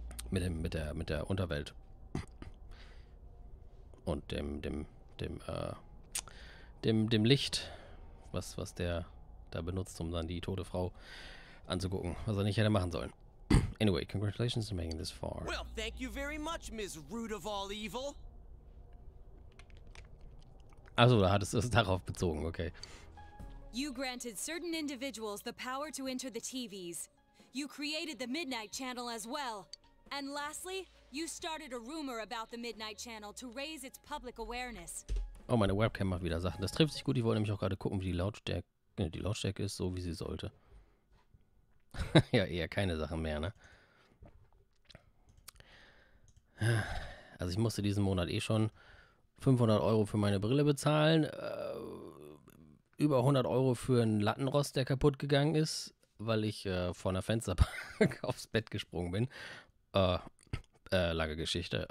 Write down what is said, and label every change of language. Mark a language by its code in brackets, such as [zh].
[de] Mit der Unterwelt. Und dem Licht, was der da benutzt, um dann die tote Frau anzugucken, was er nicht hätte machen sollen. [en] Anyway, congratulations on making this far. Well, thank you very much, Miss Root of All Evil. [de] Also, da hattest du es darauf bezogen, okay. [en] You granted certain individuals the power to enter the TVs. You created the Midnight Channel as well. And lastly, you started a rumor about the Midnight Channel to raise its public awareness. [de] Oh, meine Webcam macht wieder Sachen. Das trifft sich gut. Ich wollte nämlich auch gerade gucken, wie die Lautstärke ist, so wie sie sollte. Ja, eher keine Sachen mehr, ne? Also ich musste diesen Monat eh schon 500 Euro für meine Brille bezahlen, über 100 Euro für einen Lattenrost, der kaputt gegangen ist, weil ich vor einer Fensterbank aufs Bett gesprungen bin. Lange Geschichte.